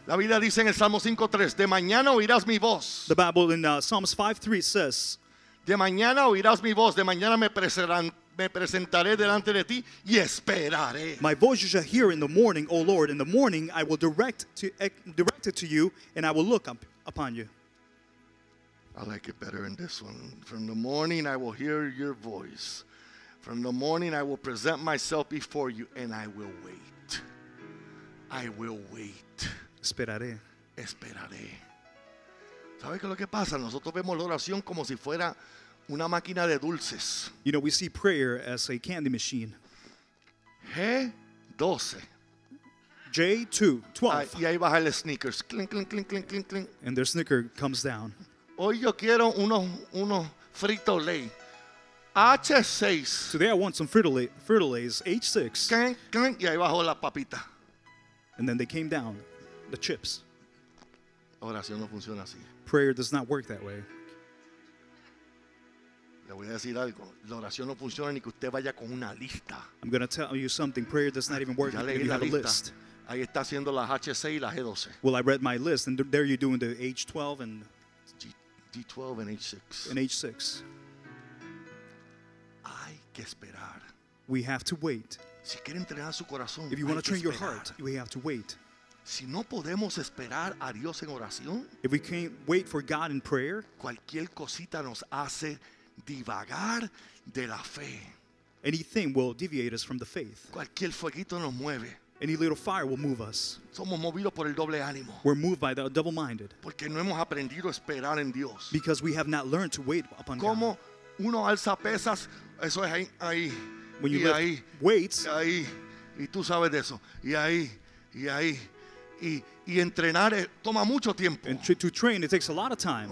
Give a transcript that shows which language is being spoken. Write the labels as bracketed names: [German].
[Spanish] La Biblia dice en el Salmo 5:3, de mañana oirás mi voz. [English] The Bible in Psalms 5:3 says, [Spanish] de mañana oirás mi voz, de mañana me presentaré delante de ti y esperaré. [English] My voice you shall hear in the morning, O Lord. In the morning I will direct it to you and I will look upon you. I like it better in this one. From the morning I will hear your voice. From the morning I will present myself before you and I will wait. I will wait. [Spanish] Esperaré. Esperaré. ¿Sabes qué es lo que pasa? Nosotros vemos la oración como si fuera una máquina de dulces. [English] You know, we see prayer as a candy machine. G12. J2, 12. [Spanish] Y ahí baja el Snickers. Clink, clink, clink, clink, clink, clink. [English] And their Snicker comes down. [Spanish] Hoy yo quiero unos Frito-Lay. H6. [English] Today I want some Frito-Lays, H6. [Spanish] Clink, clink, y ahí bajó la papita. [English] And then they came down, the chips. [Spanish] Oración no funciona así. [English] Prayer does not work that way. [Spanish] Le voy a decir algo. La oración no funciona ni que usted vaya con una lista. [English] I'm going to tell you something. Prayer does not even work if you have a list. [Spanish] Ahí está haciendo las H6 y las G12. [English] Well, I read my list, and there you're doing the H12 and D12 and H6. And H6. [Spanish] Hay que esperar. [English] We have to wait. [Spanish] Si quiere entrenar su corazón, [English] if you want to train your heart, we have to wait. [Spanish] Si no podemos esperar a Dios en oración, [English] if we can't wait for God in prayer, [Spanish] cualquier cosita nos hace divagar de la fe. [English] Anything will deviate us from the faith. [Spanish] Cualquier fueguito nos mueve. [English] Any little fire will move us. [Spanish] Somos movidos por el doble ánimo. [English] We're moved by the double-minded. [Spanish] Porque no hemos aprendido a esperar en Dios. [English] Because we have not learned to wait upon God. [Spanish] Como uno alza pesas, eso es ahí. [English] When you [Spanish] y [English] lift [Spanish] ahí, [English] weights, [Spanish] y ahí, y tú sabes de eso. Y ahí, y ahí. Y entrenar toma mucho tiempo. [English] And to train, it takes a lot of time.